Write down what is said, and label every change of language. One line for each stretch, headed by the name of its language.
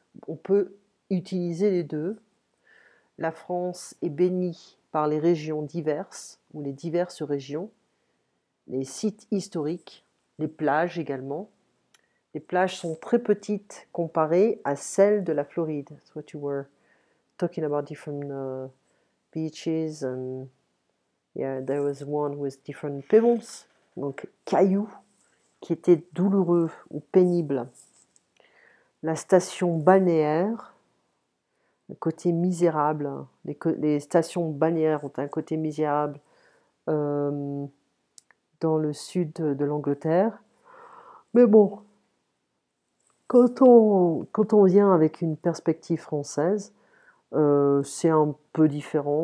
French: On peut utiliser les deux. La France est bénie par les régions diverses ou les diverses régions, les sites historiques, les plages également. Les plages sont très petites comparées à celles de la Floride.
English: That's what you were talking about, different beaches and yeah, there was one with different pebbles,
French: donc cailloux qui étaient douloureux ou pénibles. La station balnéaire, le côté misérable, les stations balnéaires ont un côté misérable dans le sud de l'Angleterre. Mais bon, quand on vient avec une perspective française, c'est un peu différent.